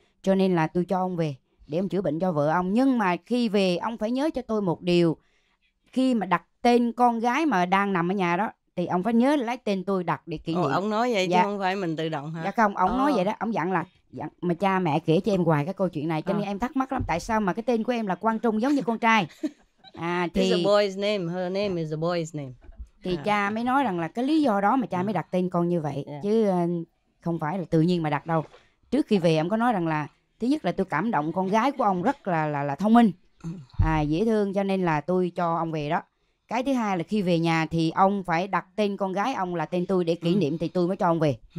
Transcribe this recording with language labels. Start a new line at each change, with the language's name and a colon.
Vietnamese: Cho nên là tôi cho ông về để ông chữa bệnh cho vợ ông. Nhưng mà khi về ông phải nhớ cho tôi một điều. Khi mà đặt tên con gái mà đang nằm ở nhà đó, thì ông phải nhớ lấy tên tôi đặt để kỷ niệm. Ông nói vậy chứ không phải mình tự động hả? Dạ không, ông nói vậy đó. Ông dặn là dặn, mà cha mẹ kể cho em hoài cái câu chuyện này. Cho nên em thắc mắc lắm, tại sao mà cái tên của em là Quang Trung giống như con trai. Thì
English: it's a boy's name, her name is a boy's name.
Vietnamese: Thì cha mới nói rằng là cái lý do đó mà cha mới đặt tên con như vậy. Chứ không phải là tự nhiên mà đặt đâu. Trước khi về ông có nói rằng là thứ nhất là tôi cảm động con gái của ông rất là thông minh, dễ thương, cho nên là tôi cho ông về đó. Cái thứ hai là khi về nhà thì ông phải đặt tên con gái ông là tên tôi để kỷ niệm, thì tôi mới cho ông về.